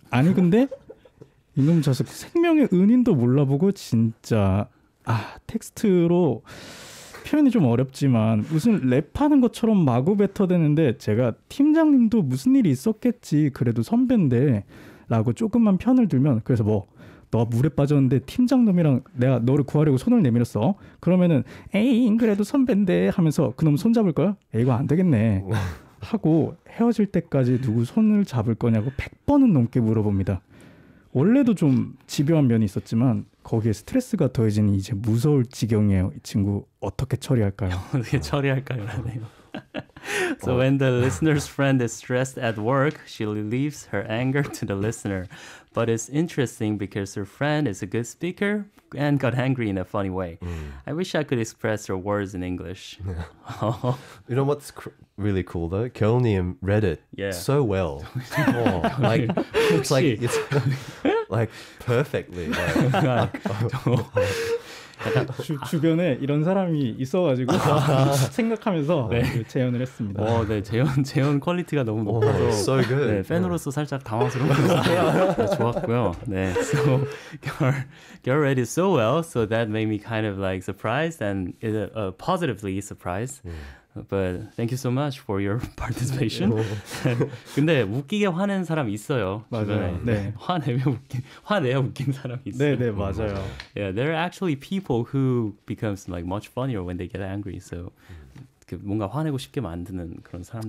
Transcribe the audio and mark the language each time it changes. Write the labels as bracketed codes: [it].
[ko] 아니 근데 이놈 자식 생명의 은인도 몰라보고 진짜 아 텍스트로 표현이 좀 어렵지만 무슨 랩하는 것처럼 마구 뱉어대는데 제가 팀장님도 무슨 일이 있었겠지 그래도 선배인데 라고 조금만 편을 들면 그래서 뭐 너 물에 빠졌는데 팀장놈이랑 내가 너를 구하려고 손을 내밀었어 그러면은 에잉 그래도 선배인데 하면서 그놈 손잡을 거야? 에이거 안 되겠네 하고 헤어질 때까지 누구 손을 잡을 거냐고 100번은 넘게 물어봅니다. 원래도 좀 집요한 면이 있었지만 거기에 스트레스가 더해진 이제 무서울 지경이에요. 이 친구 어떻게 처리할까요? 어떻게 처리할까요? [en] So when the listener's friend is stressed at work, she leaves her anger to the listener. But it's interesting because her friend is a good speaker and got angry in a funny way. I wish I could express her words in English. You know what's really cool though? Kyolnim read it so well. Like, it's like perfectly. [ko] 주변에 이런 사람이 있어가지고 생각하면서 네. 재연을 했습니다. 오, 네, 재연 퀄리티가 너무 높아서 [en] so good. [ko] 네, 팬으로서 살짝 당황스러웠어요. 네, 좋았고요. 네, [en] so girl read it so well, so that made me kind of like surprised and positively surprised. But thank you so much for your participation. [ko] 근데 웃기게 화낸 사람 있어요. 맞아요. 네. 화내야 웃긴 사람 있어요. 네, 네, 맞아요. [en] Yeah, there are actually people who becomes like much funnier when they get angry. [ko] So 뭔가 화내고 싶게 만드는 그런 사람들.